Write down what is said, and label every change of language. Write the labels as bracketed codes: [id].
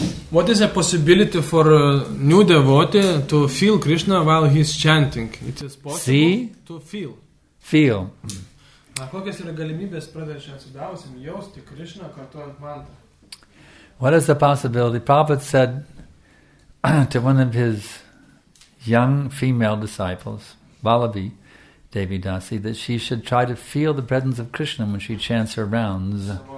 [en] What is a possibility for a new devotee to feel Krishna while he's chanting? It is possible. See? To feel. Feel. [lt] Kokios yra galimybės pradėti atsidavusim jausti Krishna kartuojant mantrą? [en] What is the possibility? Prabhupada said to one of his young female disciples, Vallabhi Devi Dasi, that she should try to feel the presence of Krishna when she chants her rounds.